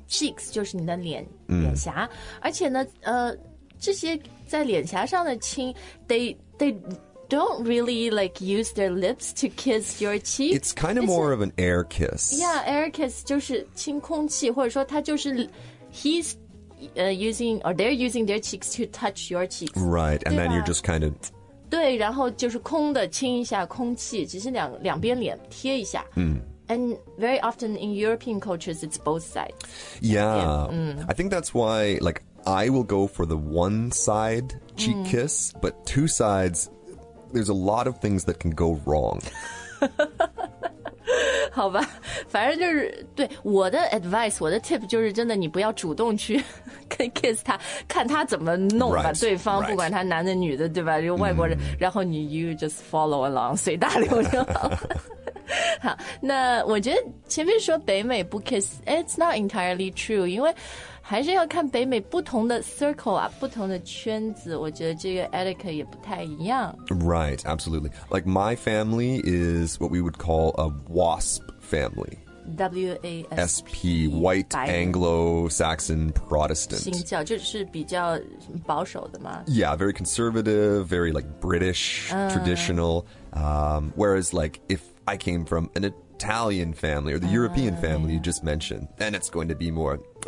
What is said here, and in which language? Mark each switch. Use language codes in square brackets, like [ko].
[zh] Cheeks 就是你的脸、脸颊，而且呢，这些在脸颊上的亲 ， [en] they don't really like use their lips to kiss your cheek. It's kind of more of an air kiss. Yeah, air kiss [zh] 就是亲空气，或者说他就是 [en] he's using or they're using their cheeks to touch your cheeks. Right, and then you're just kind of [zh] 对，然后就是空的亲一下空气，只是两边脸贴一下。 [en] And very often in European cultures, it's both sides. Yeah. I think that's why, like, I will go for the one side cheek kiss, but two sides, there's a lot of things that can go wrong. [zh] 好吧，反正就是对我的 advice， 我的 tip 就是真的，你不要主动去跟 kiss 他，看他怎么弄吧。 [en] Right, [zh] 对方、 [en] right. [zh] 不管他男的女的，对吧？就外国人， mm. 然后你 [en] you just follow along， [zh] 随大流就好了。好，那我觉得前面说北美不 kiss， [en] it's not entirely true， [zh] 因为还是要看北美不同的 circle 啊，不同的圈子，我觉得这个 etiquette 也不太一样。 [en] Right, absolutely. Like my family is what we would call a WASP family. WASP, White Anglo-Saxon Protestant. [zh] 新教就是比较保守的嘛。 [en] Yeah, very conservative, very like British, traditional. Whereas like if I came from an Italian family or the European family you just mentioned, then it's going to be more...